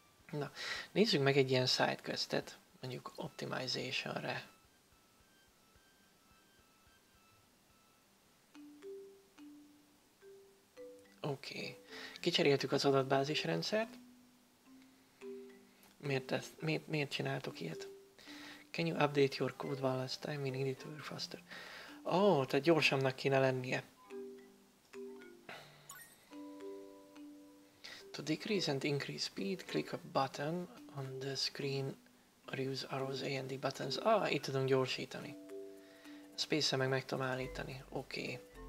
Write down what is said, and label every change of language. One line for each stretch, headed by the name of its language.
Hungarian: Na, nézzük meg egy ilyen sidequestet, mondjuk optimizationre. Oké. Kicseréltük az adatbázis rendszert. Miért csináltok ilyet?
English: Can you update your code one last time? We need it to work faster.
Hungarian: Ó, tehát gyorsabbnak kéne lennie.
English: To decrease and increase speed, click a button on the screen or use arrows A and D buttons.
Hungarian: Ah, itt tudunk gyorsítani. Space-e meg tudom állítani. Oké.